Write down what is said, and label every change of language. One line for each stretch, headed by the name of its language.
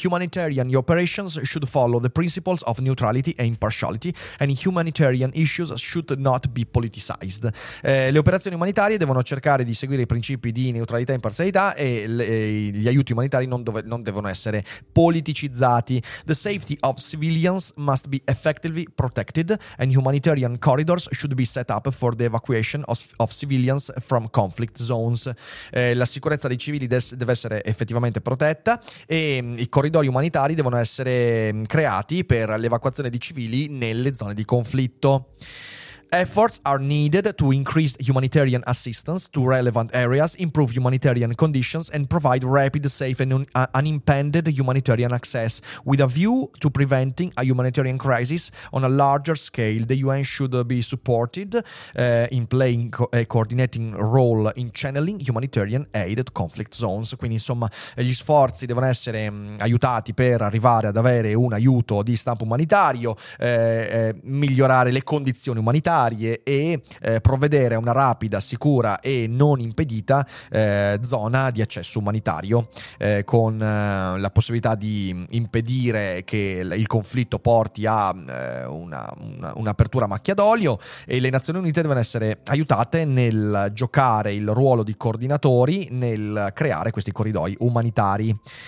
English: Humanitarian operations should follow the principles of neutrality and impartiality, and humanitarian issues should not be politicized.
Italian: Le operazioni umanitarie devono cercare di seguire i principi di neutralità e imparzialità, e gli aiuti umanitari non devono essere politicizzati.
English: The safety of civilians must be effectively protected, and humanitarian corridors should be set up for the evacuation of civilians from conflict zones.
Italian: La sicurezza dei civili deve essere effettivamente protetta, e i corridoi umanitari devono essere creati per l'evacuazione di civili nelle zone di conflitto.
English: Efforts are needed to increase humanitarian assistance to relevant areas, improve humanitarian conditions, and provide rapid, safe, and unimpeded humanitarian access. With a view to preventing a humanitarian crisis on a larger scale, the UN should be supported in playing a coordinating role in channeling humanitarian aid to conflict zones.
Italian: Quindi, insomma, gli sforzi devono essere aiutati per arrivare ad avere un aiuto di stampo umanitario, migliorare le condizioni umanitarie, e provvedere a una rapida, sicura e non impedita zona di accesso umanitario, con la possibilità di impedire che il conflitto porti a un'apertura a macchia d'olio, e le Nazioni Unite devono essere aiutate nel giocare il ruolo di coordinatori nel creare questi corridoi umanitari.